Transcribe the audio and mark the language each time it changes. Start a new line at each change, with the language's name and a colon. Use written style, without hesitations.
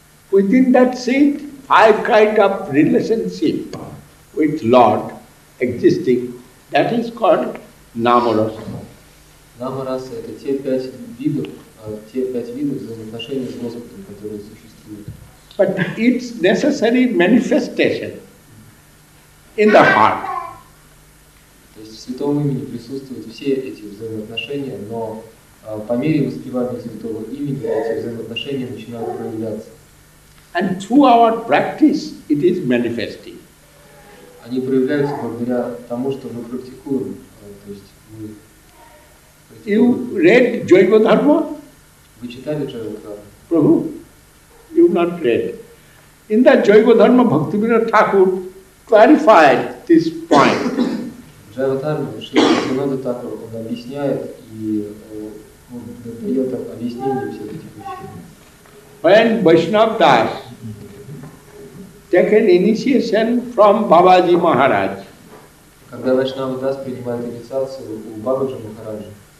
English: Within that seed, five kind of relationship with Lord existing, that is called Namarasa.
Russian: Namarasa – это те пять видов взаимоотношений с Господом, которые существуют.
English: But it's necessary manifestation in the heart.
Russian: То есть в Святом Имени присутствуют все эти взаимоотношения, но по мере воспевания Святого Имени эти взаимоотношения начинают проявляться.
English: And through our practice it is manifesting.
Russian: Они проявляются благодаря тому, что мы практикуем. То есть мы практикуем.
English: You read Jaiva Dharma?
Russian: Вы читали Jaiva Dharma?
English: Prabhu, you not read. In that Jaiva Dharma, Bhaktivinoda Thakur clarified this point.
Russian: Джайватарма, Шриманда Такур, он объясняет и он дает объяснение всех этих вещей.
English: When Vaishnava Das take an initiation from Babaji Maharaj.
Russian: Когда Вайшнава дас принимает инициацию у Бабаджи Махараджа.